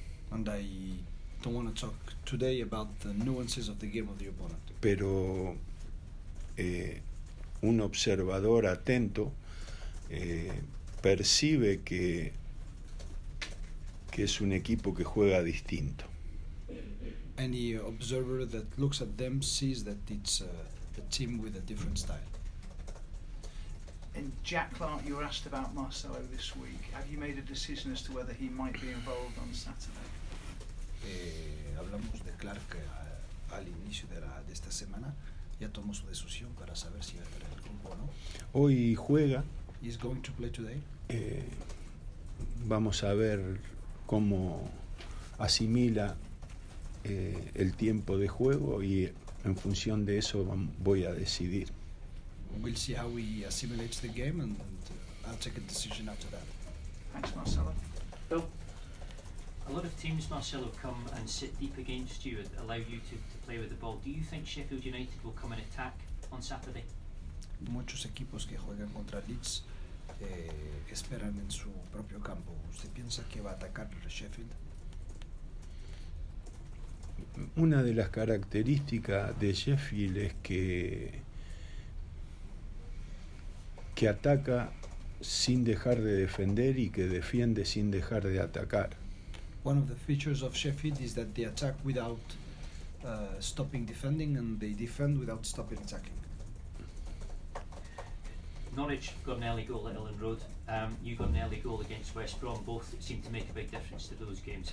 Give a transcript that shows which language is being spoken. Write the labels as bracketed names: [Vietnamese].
[English] And I don't want to talk today about the nuances of the game of the opponent. [Spanish] Pero un observador atento percibe que es un equipo que juega distinto. [English] Any observer that looks at them sees that it's a team with a different style. And Jack Clark, you were asked about Marcelo this week. Have you made a decision as to whether he might be involved on Saturday? [Spanish] Hablamos de Clark al inicio de esta semana. Ya tomó su decisión para saber si va a entrar en el grupo o no. Hoy juega. [English] He's going to play today. [Spanish] Vamos a ver cómo asimila el tiempo de juego y en función de eso voy a decidir. [English] We'll see how we assimilate the game and I'll take a decision after that. Thanks, Marcelo. Bill, a lot of teams, Marcelo, come and sit deep against you and allow you to play with the ball. Do you think Sheffield United will come and attack on Saturday? [Spanish] Muchos equipos que juegan contra Leeds esperan en su propio campo. ¿Usted piensa que va a atacar Sheffield? Una de las características de Sheffield es que ataca sin dejar de defender y que defiende sin dejar de atacar. [English] One of the features of Sheffield is that they attack without stopping defending and they defend without stopping attacking. Norwich got an early goal at Elland Road. You got an early goal against West Brom. Both seem to make a big difference to those games.